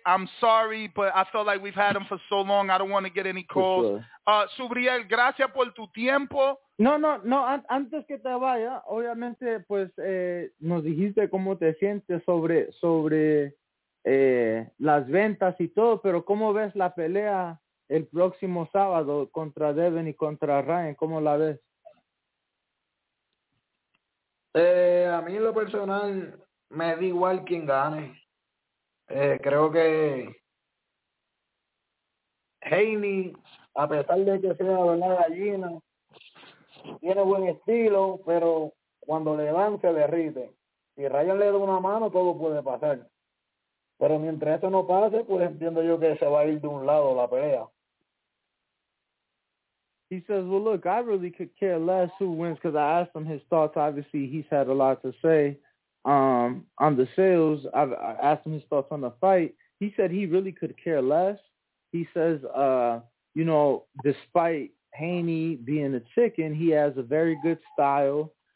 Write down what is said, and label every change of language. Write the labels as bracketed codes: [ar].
[en] I'm sorry, but I felt like we've had them for so long. I don't want to get any calls. Sure. [es] Subriel, gracias por tu tiempo. No. Antes que te vaya, obviamente, pues, nos dijiste cómo te sientes sobre las ventas y todo, pero ¿cómo ves la pelea el próximo sábado contra Devin y contra Ryan? ¿Cómo la ves? A mí en lo personal... Me da igual quien gane. Creo que Haney, a pesar de que sea una gallina, tiene buen estilo, pero cuando le dan, se derrite. Si Ryan le da una mano, todo puede pasar. Pero mientras eso no pase, pues entiendo yo que se va a ir de un lado la pelea. [en] He says, well, look, I really could care less who wins because I asked him his thoughts. Obviously, he's had a lot to say. On the sales, I asked him his thoughts on the fight. He said he really could care less. He says, you know, despite Haney being a chicken, he has a very good style.